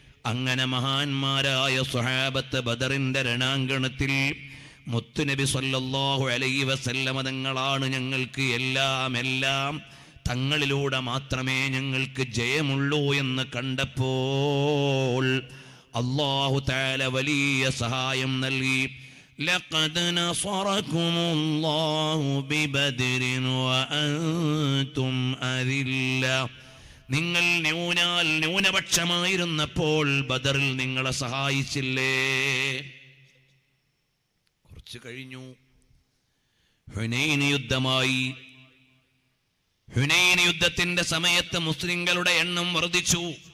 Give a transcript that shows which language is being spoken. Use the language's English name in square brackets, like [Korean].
[Malayalam] അങ്ങനെ മഹാന്മാരായ സ്വഹാബത്ത് ബദറിന്റെ രണാങ്കണത്തിൽ മുത്തുനബി സല്ലല്ലാഹു അലൈഹി വസല്ലം തങ്ങളാണ് ഞങ്ങൾക്ക് എല്ലാം എല്ലാം. തങ്ങളിലൂടെ മാത്രമേ ഞങ്ങൾക്ക് ജയമുള്ളൂ എന്ന് കണ്ടപ്പോൾ അല്ലാഹു തആല വലിയ സഹായം നൽകി. [Arabic] لقد نصركم الله ببدر وأنتم أذلة. [Malayalam] നിങ്ങൾ ന്യൂനാൽ ന്യൂനപക്ഷമായിരുന്നപ്പോൾ ബദറിൽ നിങ്ങളെ സഹായിച്ചില്ലേ? കുറച്ച് കഴിഞ്ഞു ഹുനൈൻ യുദ്ധമായി. ഹുനൈൻ യുദ്ധത്തിന്റെ സമയത്ത് മുസ്ലിങ്ങളുടെ എണ്ണം വർദ്ധിച്ചു.